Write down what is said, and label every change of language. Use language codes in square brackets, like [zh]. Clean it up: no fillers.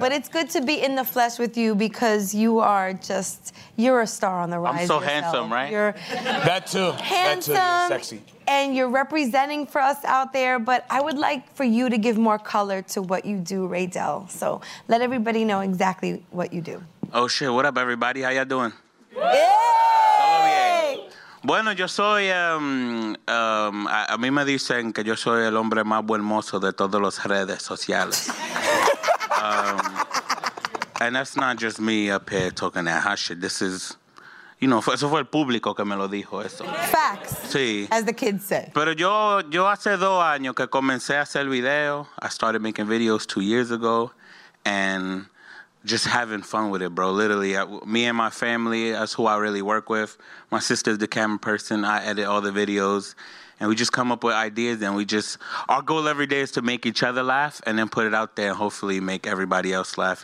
[en] But it's good to be in the flesh with you because you are just, you're a star on the rise. I'm so handsome, right? You're that too. Handsome. That too, sexy. And you're representing for us out there. But I would like for you to give more color to what you do, Radel. So let everybody know exactly what you do. Oh, shit. What up, everybody? How y'all doing? Yay! [es] Bueno, yo soy, a mí me dicen que yo soy el hombre más buen mozo de todas las redes sociales. [en] And that's not just me up here talking that hush shit. This is, you know, [es] eso fue el público que me lo dijo eso. [en] Facts. [es] Sí. [en] As the kids say. [es] Pero yo hace 2 años que comencé a hacer video. [en] I started making videos 2 years ago. And just having fun with it, bro. Literally, me and my family, that's who I really work with. My sister's the camera person. I edit all the videos. And we just come up with ideas, and we just, our goal every day is to make each other laugh and then put it out there and hopefully make everybody else laugh.